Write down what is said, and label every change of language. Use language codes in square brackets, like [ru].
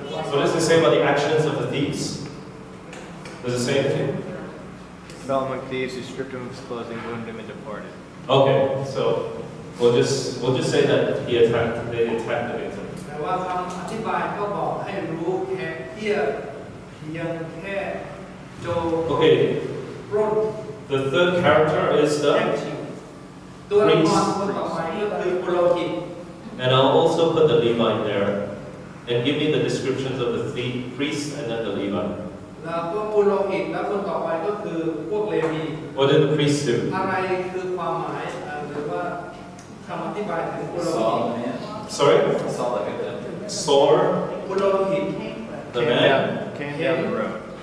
[en] So does it say about the actions of the thieves? Does it say anything? Fell among thieves who stripped him of his clothing, wounded him, and departed. Okay, so we'll just say that they attacked the victim. [th] แต่ว่าคำอธิบายก็บอกให้รู้แค่เพียงแค่โจร [en] Okay. Run. The third character is the [th] ตัวละครคนต่อไปก็คือปุโรหิต [en] And I'll also put the Levite there, and give me the descriptions of the three priests and then the Levite. [th] ตัวปุโรหิตและคนต่อไปก็คือพวกเลวี [en] What did the priest do? [th] อะไรคือความหมายหรือว่าคำอธิบายถึงปุโรหิต [en] Sorry? Saw the victim. Saw? [th] ปุโรหิต [en] The man? Came down the road.